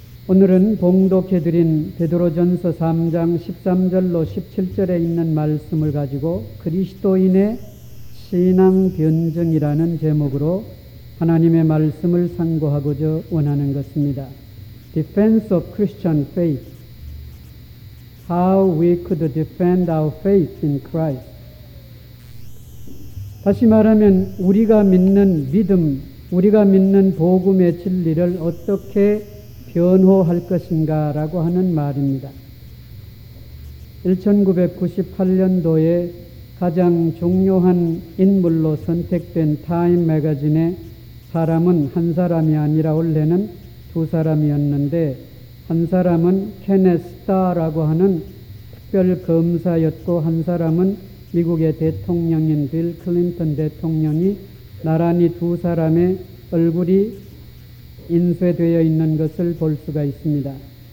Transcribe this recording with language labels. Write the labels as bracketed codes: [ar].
[ko] 오늘은 봉독해드린 베드로전서 3장 13절로 17절에 있는 말씀을 가지고 그리스도인의 신앙 변증이라는 제목으로 하나님의 말씀을 상고하고자 원하는 것입니다. [en] Defense of Christian Faith. How we could defend our faith in Christ. [ko] 다시 말하면 우리가 믿는 믿음, 우리가 믿는 복음의 진리를 어떻게 변호할 것인가라고 하는 말입니다. 1998년도에 가장 중요한 인물로 선택된 타임 매거진의 사람은 한 사람이 아니라 원래는 두 사람이었는데 한 사람은 케네스타라고 하는 특별검사였고 한 사람은 미국의 대통령인 빌 클린턴 대통령이 나란히 두 사람의 얼굴이 인쇄되어 있는 것을 볼 수가 있습니다.